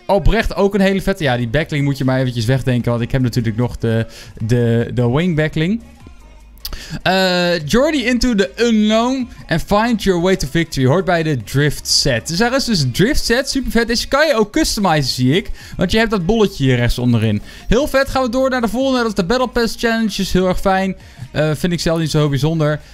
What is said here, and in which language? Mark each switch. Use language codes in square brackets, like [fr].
[nl] Oprecht ook een hele vette. Ja, die backling moet je maar eventjes wegdenken. Want ik heb natuurlijk nog de wing backling. [en] Journey into the unknown and find your way to victory. [nl] Hoort bij de Drift set. Dus daar is dus een Drift set. Super vet. Deze kan je ook customizen, zie ik. Want je hebt dat bolletje hier rechts onderin. Heel vet. Gaan we door naar de volgende. Dat is de Battle Pass Challenges. Heel erg fijn. Vind ik zelf niet zo bijzonder.